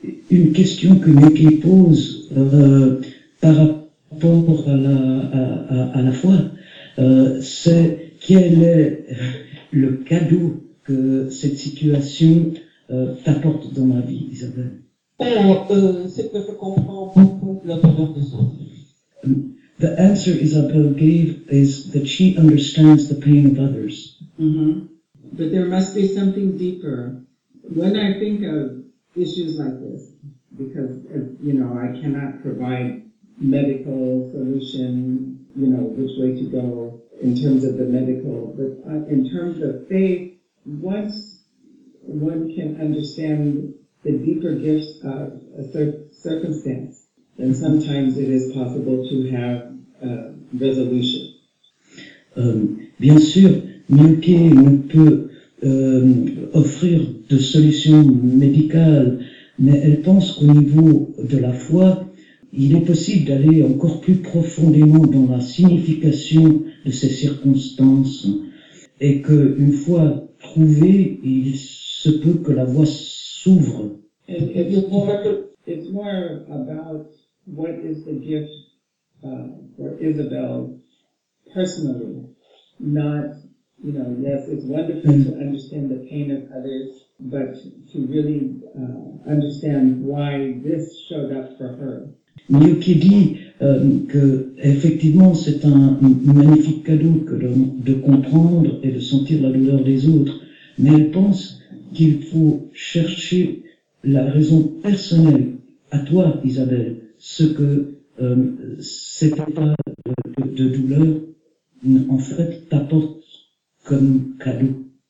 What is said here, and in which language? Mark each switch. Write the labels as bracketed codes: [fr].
[fr] Une question que Mickey pose par rapport à la foi, c'est quel est le cadeau que cette situation t'apporte dans ma vie, Isabelle? C'est que je comprends beaucoup la douleur des autres. [en] The answer Isabelle gave is that she understands the pain of others. Mm-hmm. But there must be something deeper. When I think of issues like this, because, you know, I cannot provide medical solution, you know, which way to go in terms of the medical. But in terms of faith, once one can understand the deeper gifts of a circumstance, then sometimes it is possible to have a resolution. [fr] Bien sûr, Mioquet ne peut offrir de solution médicale. Mais elle pense qu'au niveau de la foi, il est possible d'aller encore plus profondément dans la signification de ces circonstances, et que une fois trouvé, il se peut que la voie s'ouvre. [en] It's more about what is the gift for Isabelle personally, not, you know, yes, it's wonderful to understand the pain of others, but to really understand why this showed up for her. [fr] Mioquet dit que effectivement c'est un magnifique cadeau que de comprendre et de sentir la douleur des autres, mais elle pense qu'il faut chercher la raison personnelle à toi, Isabelle, ce que cet état de douleur en fait t'apporte comme cadeau.